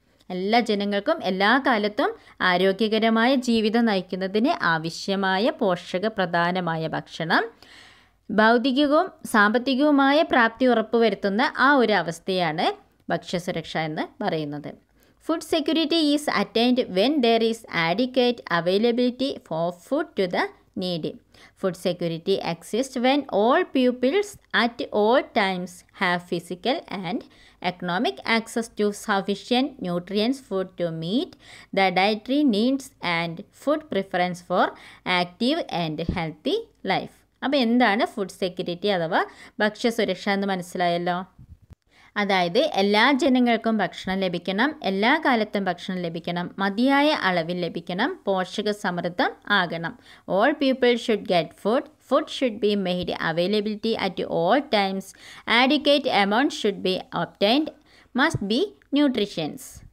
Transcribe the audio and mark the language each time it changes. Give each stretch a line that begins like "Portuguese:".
Malayalam: എല്ലാ ജനങ്ങൾക്കും എല്ലാ കാലത്തും ആരോഗ്യകരമായ ജീവിതം നയിക്കുന്നതിന് ആവശ്യമായ പോഷകപ്രധാനമായ ഭക്ഷണം ഭൗതികവും സാമ്പത്തികവുമായ പ്രാപ്തി ഉറപ്പുവരുത്തുന്ന ആ ഒരു അവസ്ഥയാണ് ഭക്ഷ്യസുരക്ഷ എന്ന് പറയുന്നത്.
English: Food security is attained when there is adequate availability for food to the needy. Food security exists when all pupils at all times have physical and economic access to sufficient nutrients food to meet the dietary needs and food preference for active and healthy life.
Malayalam: അപ്പോൾ എന്താണ് food security അഥവാ ഭക്ഷ്യസുരക്ഷ എന്ന് മനസ്സിലായല്ലോ. അതായത് എല്ലാ ജനങ്ങൾക്കും ഭക്ഷണം ലഭിക്കണം, എല്ലാ കാലത്തും ഭക്ഷണം ലഭിക്കണം, മതിയായ അളവിൽ ലഭിക്കണം, പോഷക സമൃദ്ധം ആകണം.
English: All people should get food, food should be made availability at all times, adequate amount should be obtained, must be nutritions.